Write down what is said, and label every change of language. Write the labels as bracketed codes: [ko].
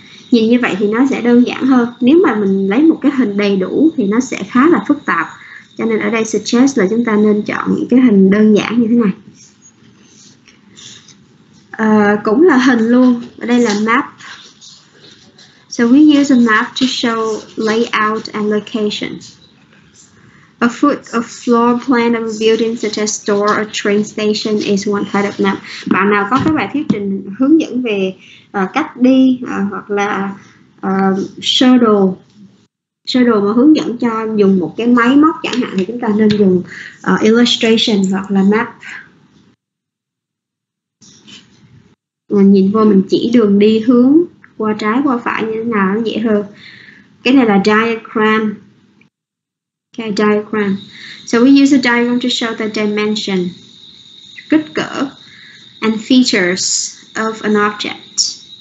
[vi] Nhìn như vậy thì nó sẽ đơn giản hơn. Nếu mà mình lấy một cái hình đầy đủ thì nó sẽ khá là phức tạp. Cho nên ở đây suggest là chúng ta nên chọn những cái hình đơn giản như thế này. Cũng là hình luôn. Ở đây là map. [en] So we use a map to show layout and location. A floor plan of a building such as store or train station is one kind of map. [vi] Bạn nào có cái bài thuyết trình hướng dẫn về cách đi hoặc là sơ đồ mà hướng dẫn cho dùng một cái máy móc chẳng hạn, thì chúng ta nên dùng illustration hoặc là map. Mình nhìn vô mình chỉ đường đi, hướng qua trái qua phải như thế nào nó dễ hơn. Cái này là diagram. Okay, diagram. [en] So we use a diagram to show the dimension, [vi] kích cỡ [en] and features of an object.